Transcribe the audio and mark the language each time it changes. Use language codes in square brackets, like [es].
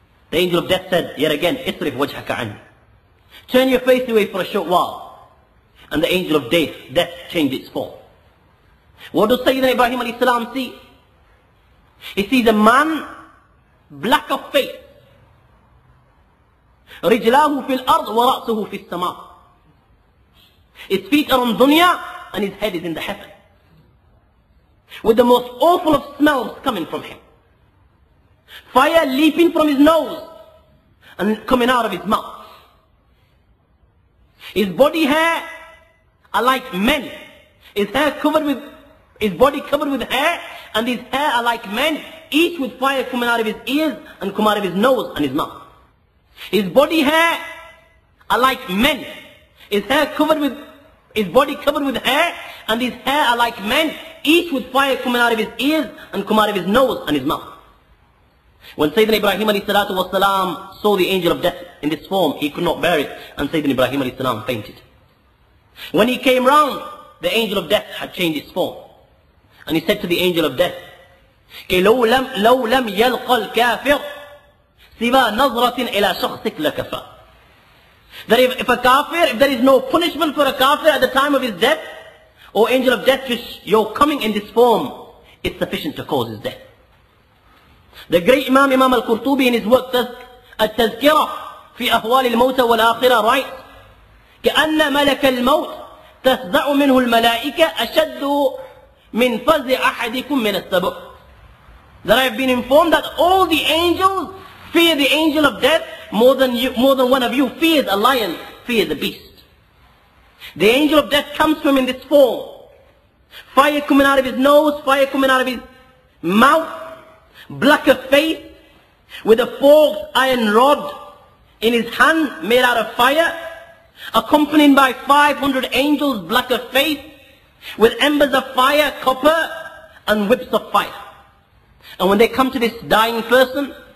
[en] The angel of death said, yet again, [ar] اصرف وجهك عني. [en] Turn your face away for a short while. And the angel of death changed its form. What does Sayyidina Ibrahim alayhi salam see? He sees a man black of face. [ar] رجلاه في الأرض ورأسه في السماء. [en] His feet are on dunya and his head is in the heaven. With the most awful of smells coming from him. Fire leaping from his nose and coming out of his mouth. His body hair are like men. His body covered with hair, and his hair are like men, each with fire coming out of his ears and come out of his nose and his mouth. His body hair are like men. His body covered with hair, and his hair are like men, each with fire coming out of his ears and come out of his nose and his mouth. When Sayyidina Ibrahim alayhi salatu wa salam saw the angel of death in this form, he could not bear it, and Sayyidina Ibrahim alayhi salam fainted. When he came round, the angel of death had changed his form. And he said to the angel of death, [ar] لو لم يلقى الكافر سوى نظرة إلى شخصك لكفى. [en] That if there is no punishment for a kafir at the time of his death, O angel of death, just your coming in this form is sufficient to cause his death. The great Imam al-Qurtubi in his work, [ar] التذكرة في أهوال الموت والآخرة, [en] writes, [ar] كأن ملك الموت تفزع منه الملائكة أشد من فزع أحدكم من السبع. [en] That I have been informed that all the angels fear the angel of death more than one of you fears a lion, fears a beast. The angel of death comes to him in this form. Fire coming out of his nose, fire coming out of his mouth, black of face, with a forked iron rod in his hand made out of fire, accompanied by 500 angels black of face, with embers of fire, copper, and whips of fire. And when they come to this dying person,